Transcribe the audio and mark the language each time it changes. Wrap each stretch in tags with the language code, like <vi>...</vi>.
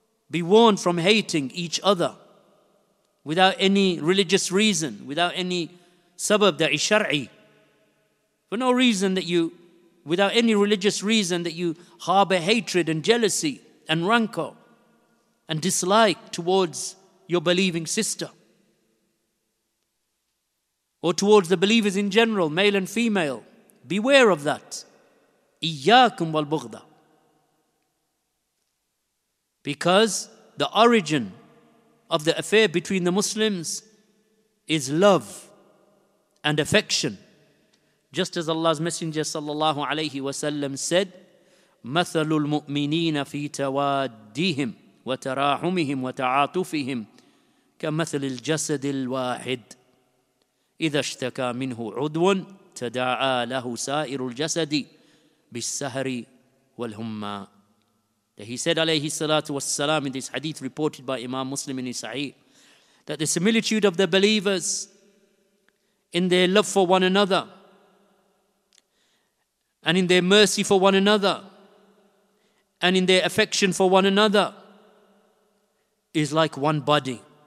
<en>Be warned from hating each other without any religious reason, without any sabab that is shar'i, for no reason that you, without any religious reason that you harbor hatred and jealousy and rancor and dislike towards your believing sister, or towards the believers in general, male and female. Beware of that.</en> <ar>Iyyakum wal bughda.</ar> <en>Because the origin of the affair between the Muslims is love and affection. Just as Allah's Messenger sallallahu alayhi wa sallam said,</en> <ar>مَثَلُ الْمُؤْمِنِينَ فِي تَوَادِّهِمْ وَتَرَاحُمِهِمْ وَتَعَاطُفِهِمْ كَمَثَلِ الْجَسَدِ الْوَاحِدِ إِذَا اشْتَكَى مِنْهُ عُدْوٌ تَدَعَى لَهُ سَائِرُ الْجَسَدِ بِالسَّهَرِ وَالْهُمَّى.</ar> <en>He said, alayhi salatu wassalam, in this hadith reported by Imam Muslim in his Sahih, that the similitude of the believers in their love for one another and in their mercy for one another and in their affection for one another is like one body.</en>